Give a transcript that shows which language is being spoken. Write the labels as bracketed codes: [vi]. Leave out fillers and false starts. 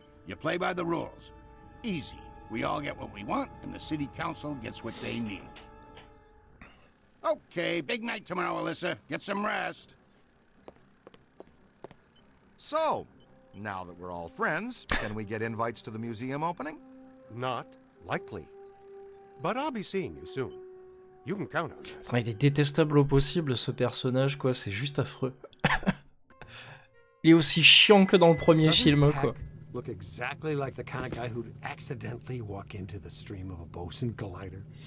[en] You play by the rules. Easy. We all get what we want, and the city council gets what they need. Okay, big night tomorrow, Alyssa. Get some rest. So, now that we're all friends, can we get invites to the museum opening? Not likely. but I'll be seeing you soon. You can count on that. [fr] Attends, il est détestable au possible, ce personnage, quoi. C'est juste affreux. Il est aussi chiant que dans le premier film, quoi. [en] Look exactly like the kind of guy who'd accidentally walk into the stream of a bosun glider.